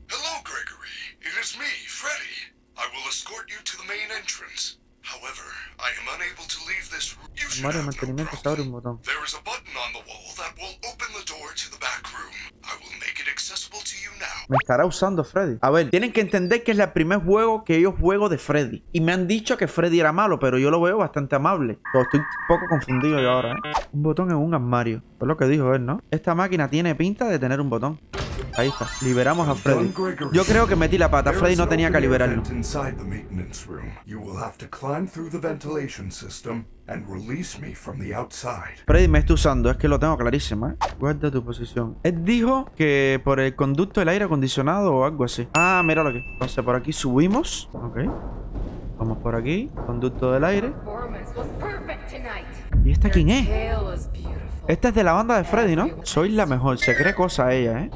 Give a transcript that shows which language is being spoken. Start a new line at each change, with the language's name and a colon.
English: Hello, Gregory. It is me, Freddy. I will escort you to the main entrance. However, I am unable to leave this room. You should have no problem. There is a button on the wall that will open the door to the back room. I will make it accessible to you now.
Spanish: Me estará usando Freddy. A ver, tienen que entender que es el primer juego que yo juego de Freddy. Y me han dicho que Freddy era malo, pero yo lo veo bastante amable. Pero estoy un poco confundido yo ahora, ¿eh? Un botón en un armario. Es lo que dijo él, ¿no? Esta máquina tiene pinta de tener un botón. Ahí está. Liberamos a Freddy. Yo creo que metí la pata. Freddy no tenía que liberarlo.
English: Inside the maintenance room. You will have to climb through the ventilation system and release me from the outside.
Spanish: Freddy me está usando. Es que lo tengo clarísimo, ¿eh? Guarda tu posición. Él dijo que por el conducto del aire acondicionado o algo así. Ah, mira lo que. Entonces por aquí subimos. Ok. Vamos por aquí. Conducto del aire. ¿Y esta quién es? Esta es de la banda de Freddy, ¿no? Soy la mejor. Se cree cosa ella, ¿eh?